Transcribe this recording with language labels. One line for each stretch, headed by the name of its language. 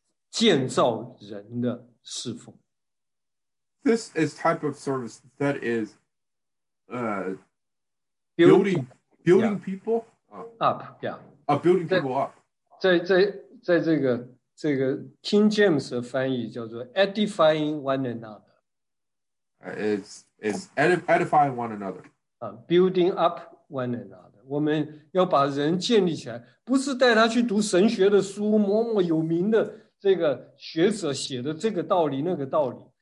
Chinese: 这讲到在教会中建造人的侍奉。
English: This is type of service that is building yeah. people up. Yeah. Building people up.
Chinese: 在这个 King James 的翻译叫做 edifying one another.
English: It's edifying one another. Building up one another.
Chinese: 我们要把人建立起来，不是带他去读神学的书，某某有名的这个学者写的这个道理，那个道理。